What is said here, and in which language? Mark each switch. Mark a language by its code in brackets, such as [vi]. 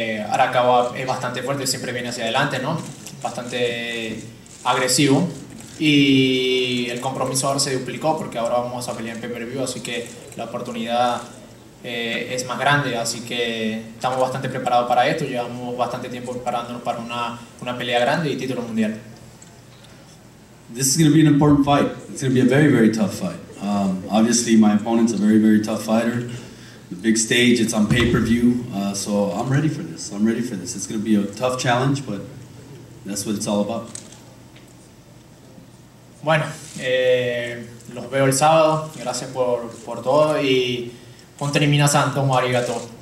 [es] Arakawa es bastante fuerte, siempre viene hacia adelante, ¿no? Bastante agresivo. Y el compromiso ahora se duplicó porque ahora vamos a pelear en pay-per-view, así que la oportunidad es más grande, así que estamos bastante preparados para esto. Llevamos bastante tiempo preparándonos para una pelea grande y título mundial. [en] This is going to be an important fight. It's going to be a very, very tough fight. Obviously, my opponent's a very, very tough fighter. The big stage, it's on pay-per-view. So I'm ready for this. I'm ready for this. It's going to be a tough challenge, but that's what it's all about. [es] Bueno, los veo el sábado. Gracias por todo y con termina santo, arigato.